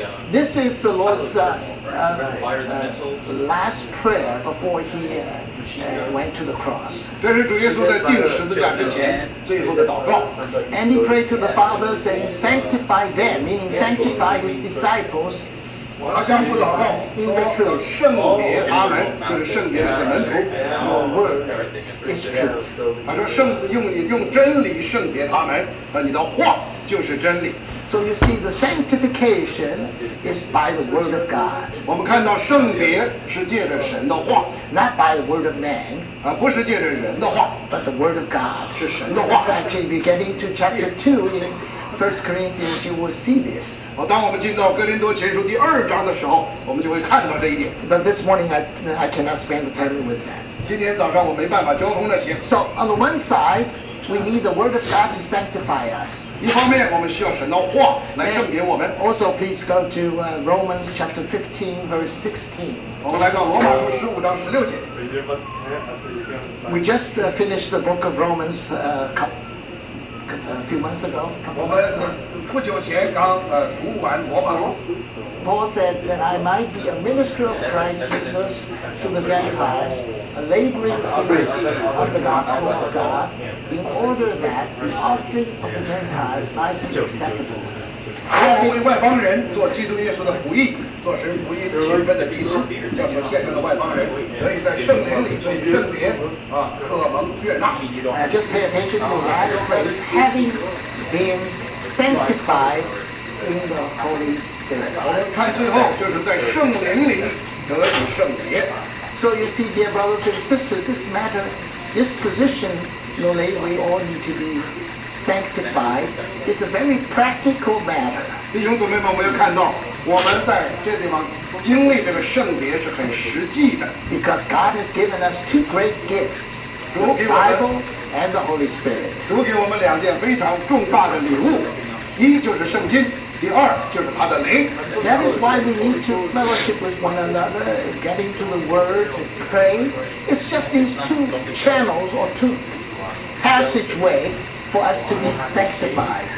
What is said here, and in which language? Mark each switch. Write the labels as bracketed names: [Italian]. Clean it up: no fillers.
[English] This is the Lord's last prayer before he went to the cross. [Chinese] 这是主耶稣在钉十字架之前最后的祷告。 [English] And he prayed to the Father, saying, "Sanctify them," meaning sanctify his disciples. [Chinese] 他向父祷告，说圣别阿门，就是圣别的圣门徒。 [English] Your word is true. [Chinese] 他说用真理圣别他们，那你的话就是真理。 [English] So you see, the sanctification is by the word of God. [Chinese] 我们看到圣别是借着神的话 [English] ，not by the word of man. [Chinese] 不是借着人的话 [English] ，but the word of God. [Chinese] 是神的话。 [English] Actually, we get into chapter 2 in 1 Corinthians, you will see this. [Chinese] 当我们进到哥林多前书第二章的时候，我们就会看到这一点。 [English] But this morning, I cannot spend the time with that. [Chinese] 今天早上我没办法交通那些。 [English] So on the one side, we need the word of God to sanctify us. [Chinese] 一方面我们需要神的话来圣别我们。 [English] And、also, please go to Romans chapter 15, verse 16. [Chinese] 我们来到罗马书十五章十六节。 [English] We just finished the book of Romans a few months ago. [Chinese] 我们不久前刚读完罗马书。 [English] Paul said that I might be a minister of Christ Jesus to the Gentiles. laboring in the spirit of the gospel of God in order that the offering of the Gentiles might be acceptable. Just pay attention to that phrase, having been sanctified in the Holy Spirit. So you see, dear brothers and sisters, this matter, this position, you know, we all need to be sanctified is a very practical matter. [Chinese] 弟兄姊妹们, 我们在这地方经历这个圣别是很实际的, [English] because God has given us two great gifts, [Chinese] 主给我们, [English] the Bible and the Holy Spirit. [Chinese] 主给我们两件非常重大的礼物, 一就是圣经, 第二就是他的灵。 [English] That is why we need to fellowship with one another, getting to the Word, to pray. It's just these two channels or two passageway for us to be sanctified.